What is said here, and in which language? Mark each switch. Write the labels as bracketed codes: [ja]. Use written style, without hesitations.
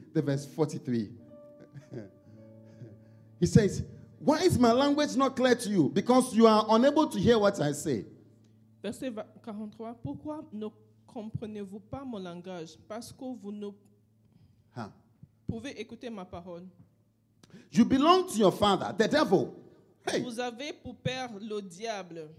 [en] The verse 43. He says, why is my language not clear to you? Because you are unable to hear what I say. [fr] Verset 43. Pourquoi ne comprenez-vous pas mon langage? Parce que vous ne pouvez écouter ma parole. [en] You belong to your father, the devil. Hey. [fr] Vous avez pour père le diable.